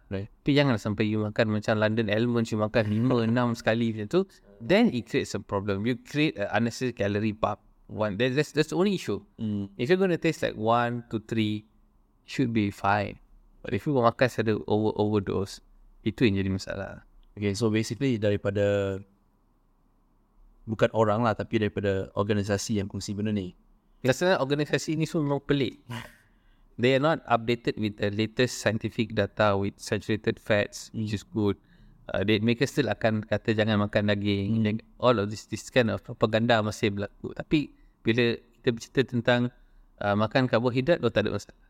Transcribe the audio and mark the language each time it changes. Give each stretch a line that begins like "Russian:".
Malay: Tapi jangan sampai you makan macam London Almonds, you makan 5-6 sekali macam tu,
English: then it creates a problem. You create an unnecessary calorie bump. That's the only issue. If you're going to taste like 1-3, should be fine. But if you
Malay: makan secara overdose, itu yang jadi masalah. Okay, so basically daripada, bukan orang lah, tapi daripada organisasi yang kongsi benda ni. Sebenarnya organisasi ni semua memang pelik.
English: They are not updated with the latest scientific data with saturated fats, which is good.
Malay: Mereka still akan kata jangan makan daging.
English: All of this kind of propaganda
Malay: masih berlaku. Tapi bila kita bercerita tentang makan karbohidrat, tak ada masalah.